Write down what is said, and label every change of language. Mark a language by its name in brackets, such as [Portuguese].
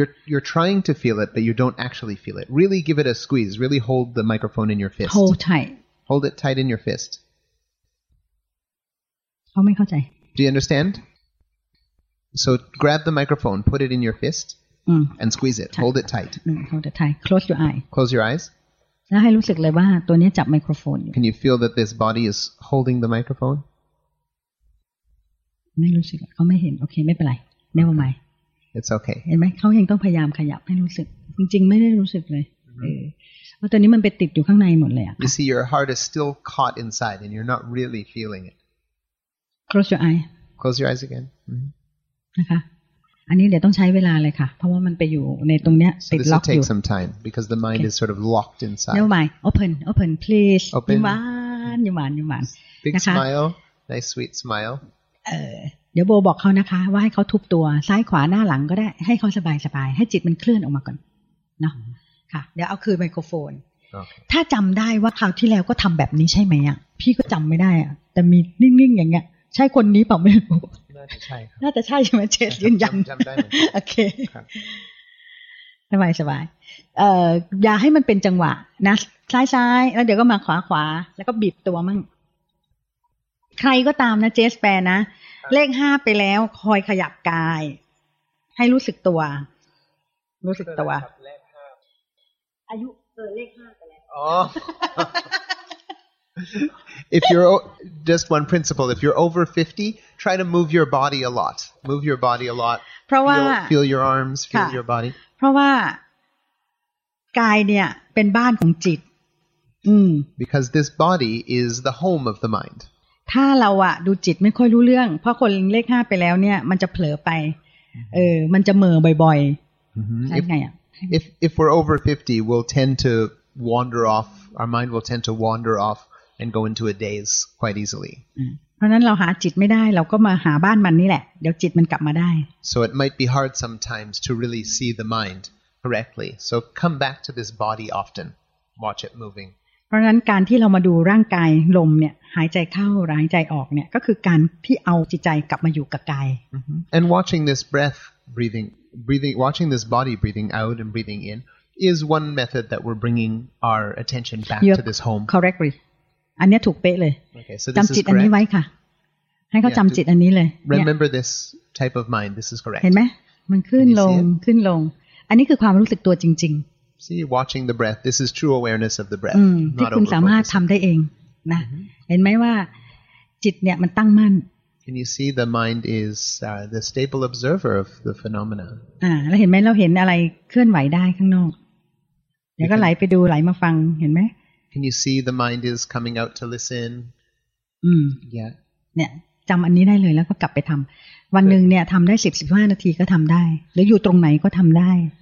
[English] You're trying to feel it, but you don't actually feel it. Really give it a squeeze. Really hold the microphone in your fist. Hold tight. Hold it tight in your fist. Do you understand? So grab the microphone, put it in your fist, and squeeze it. Hold it tight. Hold it tight. Close your eye. Close your eyes. [Thai] แล้วให้รู้สึกเลยว่าตัวนี้จับไมโครโฟนอยู่ [English] Can you feel that this body is holding the microphone? [Thai] ไม่รู้สึกเขาไม่เห็นโอเคไม่เป็นไร [English] Never mind. It's okay. [Thai] เห็นไหมเขายังต้องพยายามขยับให้รู้สึกจริงๆไม่ได้รู้สึกเลยว่าตอนนี้มันไปติดอยู่ข้างในหมดเลยอะ [English] You see, your heart is still caught inside, and you're not really feeling it. Close your eye. Close your eyes again. [Thai] นะคะอันนี้เดี๋ยวต้องใช้เวลาเลยค่ะเพราะว่ามันไปอยู่ในตรงเนี้ยติดล็อกอยู่ [English] So this will take some time because the mind is sort of locked inside. No mind. Open, open, please. Open. [Thai] ยิ้มหวาน [English] Big smile. Nice, sweet smile. [Thai] เดี๋ยวโบบอกเขานะคะว่าให้เขาทุบตัวซ้ายขวาหน้าหลังก็ได้ให้เขาสบายๆให้จิตมันเคลื่อนออกมาก่อนเนาะค่ะเดี๋ยวเอาคืนไมโครโฟนถ้าจำได้ว่าคราวที่แล้วก็ทำแบบนี้ใช่ไหมอ่ะพี่ก็จำไม่ได้อ่ะแต่มีนิ่งๆอย่างเงี้ยใช่คนนี้เปล่าไม่รู้ น่าจะใช่ใช่ไหมเชษยืนยัน จำได้โอเคสบายสบายอย่าให้มันเป็นจังหวะนะซ้ายๆแล้วเดี๋ยวก็มาขวาขวาแล้วก็บีบตัวมั่งใครก็ตามนะเจสแปรนะเลข5ไปแล้วคอยขยับกายให้รู้สึกตัวรู้สึกตัว เลข5 อายุเลข5ไปแล้ว [English] If you're just one principle if you're over 50 try to move your body a lot move your body a lot [Thai] เพราะว่า [English] feel your arms feel your body [Thai] เพราะว่ากายเนี่ยเป็นบ้านของจิต [English] because this body is the home of the mind [Thai] ถ้าเราอะดูจิตไม่ค่อยรู้เรื่องเพราะคนเลข5ไปแล้วเนี่ยมันจะเผลอไปมันจะเหม่อบ่อยๆใช่ไงอะ [English] If we're over 50 we'll tend to wander off our mind will tend to wander off and go into a daze quite easily [Thai] เพราะนั้นเราหาจิตไม่ได้เราก็มาหาบ้านมันนี่แหละเดี๋ยวจิตมันกลับมาได้ [English] So it might be hard sometimes to really see the mind correctly so come back to this body often watch it moving [Thai] เพราะงั้นการที่เรามาดูร่างกายลมเนี่ยหายใจเข้าหายใจออกเนี่ยก็คือการที่เอาจิตใจกลับมาอยู่กับกาย [English] And watching this breath breathing watching this body breathing out and breathing in is one method that we're bringing our attention back to this home [Thai] correctly อันนี้ถูกเป๊ะเลย [English] okay, so [Thai] จำจิ ตอันนี้ไว้ค่ะให้เขา จำจิตอันนี้เลย [English] Remember this type of mind this is correct [Thai] เห็นไหมมันขึ้นลงขึ้นลงอันนี้คือความรู้สึกตัวจริงๆ [English] See, watching the breath. This is true awareness of the breath. Not [Thai] คุณสามารถทำได้เองนะเห็นไหมว่าจิตเนี่ยมันตั้งมั่น [English] Can you see the mind is the stable observer of the phenomena? [Thai] แล้วเห็นไหมเราเห็นอะไรเคลื่อนไหวได้ข้างนอกเดี๋ยวก็ไหลไปดูไหลมาฟังเห็นไหม [English] Can you see the mind is coming out to listen? [Thai] เนี่ยจำอันนี้ได้เลยแล้วก็กลับไปทำวันหนึ่งเนี่ยทำได้10-15นาทีก็ทำได้หรืออยู่ตรงไหนก็ทำได้